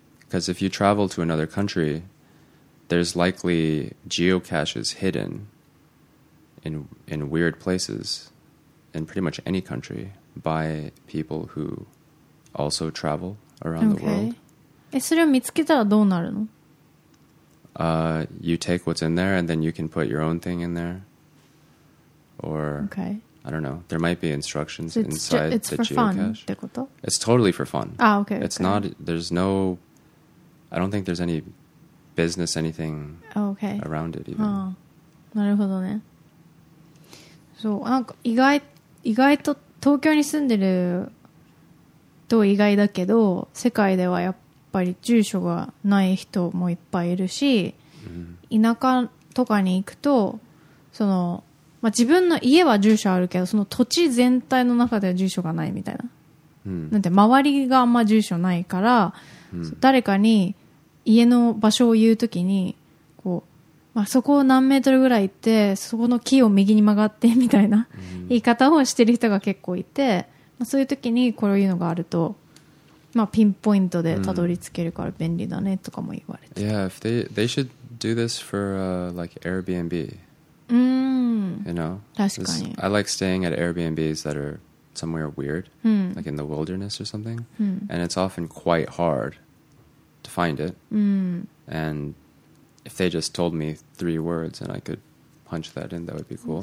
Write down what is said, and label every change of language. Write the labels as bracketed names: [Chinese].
[English] if you travel to another countryThere's likely geocaches hidden in weird places in pretty much any country by people who also travel around、 okay. the world. [Japanese] え、それを見つけたらどうなるの? [English] You take what's in there and then you can put your own thing in there. Or,、 okay. I don't know, there might be instructions so inside it's the for geocache. [Japanese] Fun ってこと? [English] It's totally for fun. Ah, okay. It's okay. not, there's no, I don't think there's anybBusiness, anything、 okay. around it, even. [Japanese] ああなるほどね。そう、なんか意外と東京に住んでると意外だけど、世界ではやっぱり住所がない人もいっぱいいるし、 mm-hmm. 田舎とかに行くと、その、まあ、自分の家は住所あるけど、その土地全体の中では住所がないみたいな。なんて周りがあんま住所ないから、誰かに家の場所を言うときに、こう、まあ、そこを何メートルぐらい行って、そこの木を右に曲がってみたいな言い方をしてる人が結構いて、まあ、そういうときにこういうのがあると、まあ、ピンポイントでたどり着けるから便利だねとかも言われて。 [English] Yeah, if they should do this for like Airbnb. You know? [Japanese] 確かに。 [English] I like staying at Airbnbs that are somewhere weird, like in the wilderness or something. And it's often quite hard to find it. And if they just told me three words and I could punch that in, that would be cool.